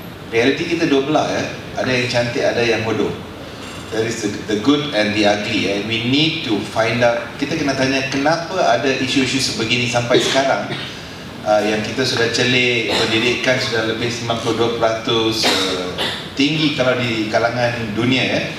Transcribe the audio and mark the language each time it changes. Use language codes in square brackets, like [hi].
[ms] Reality kita dua belah ya, ada yang cantik, ada yang bodoh. [en] There is the good and the ugly, and we need to find out. [ms] Kita kena tanya kenapa ada isu-isu sebegini sampai sekarang. Yang kita sudah celik, pendidikan sudah lebih 92% tinggi kalau di kalangan dunia ya.